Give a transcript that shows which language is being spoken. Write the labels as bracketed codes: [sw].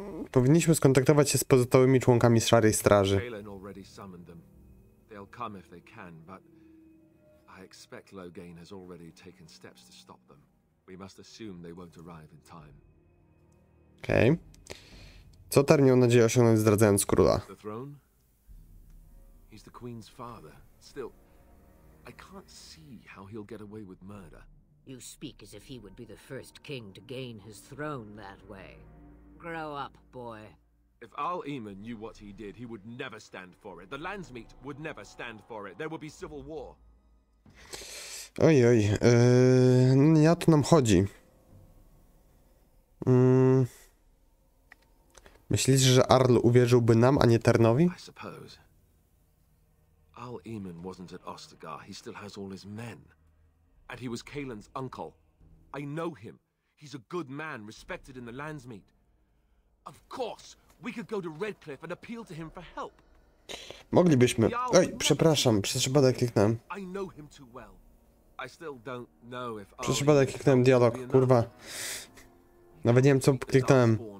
[pl] Powinniśmy skontaktować się z pozostałymi członkami Szarej Straży. [en] Kalen already summoned them. They'll come if they can, but I expect Loghain has already taken steps to stop them. We must assume they won't arrive in time. [pl] Okej. Okay. Co tarnią nadzieję osiągnąć zdradzając króla? [en] He's the Queen's father. Still, I can't see how he'll get away with murder. You speak as if he would be the first king to gain his throne that way. Grow up, boy. If Al-Iman knew what he did, he would never stand for it. The Landsmeet would never stand for it. There would be civil war. [pl] Oj, oj. Ja tu nam chodzi. Myślisz, że Arl uwierzyłby nam, a nie Ternowi? [en] I suppose. Al-Iman wasn't at Ostagar. He still has all his men. And he was Kaelin's uncle. I know him. He's a good man, respected in the Landsmeet. Of course, we could go to Redcliffe and appeal to him for help. [pl] Moglibyśmy. Oj, przepraszam, przez przypadek kliknąłem. [en] I know him too well. I still don't know if Arl. [pl] Przez przypadek kliknąłem dialog, kurwa. Nawet nie wiem, co kliknąłem.